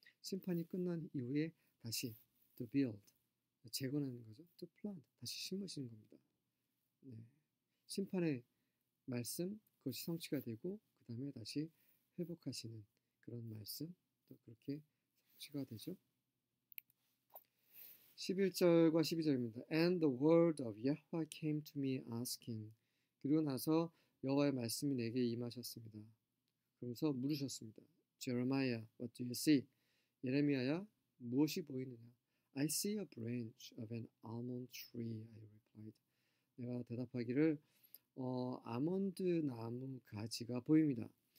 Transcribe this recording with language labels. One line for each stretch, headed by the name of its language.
Korean: 심판이 끝난 이후에 다시
English: to build,
Korean: 재건하는 거죠.
English: to plant,
Korean: 다시 심으시는 겁니다. 네. 심판의 말씀, 그것이 성취가 되고 그 다음에 다시 회복하시는 그런 말씀, 또 그렇게 성취가 되죠. 11절과 12절입니다.
English: And the word of Yahweh came to me asking.
Korean: 그리고 나서 여호와의 말씀이 내게 임하셨습니다. 그러면서 물으셨습니다.
English: Jeremiah, what do you see?
Korean: 예레미야야, 무엇이 보이느냐?
English: I see a branch of an almond tree, I replied.
Korean: 내가 대답하기를, 아몬드 나무 가지가 보입니다.